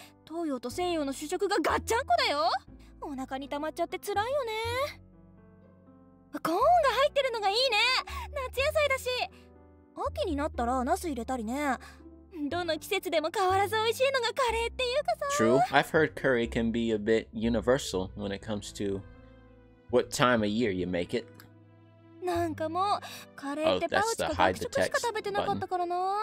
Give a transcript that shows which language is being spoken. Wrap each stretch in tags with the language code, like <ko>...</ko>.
<ja>東洋と西洋の主食がガッチャンコだよ。お腹に溜まっちゃって辛いよね。コーンが入ってるのがいいね。夏野菜だし。秋になったらナス入れたりね。どんな季節でも変わらず美味しいのがカレーっていうかさ。True,</ja> <en>I've heard curry can be a bit universal when it comes to what time of year you make it.</en> <ja>なんかもうカレーってパウチか学食しか食べてなかったからな。</ja>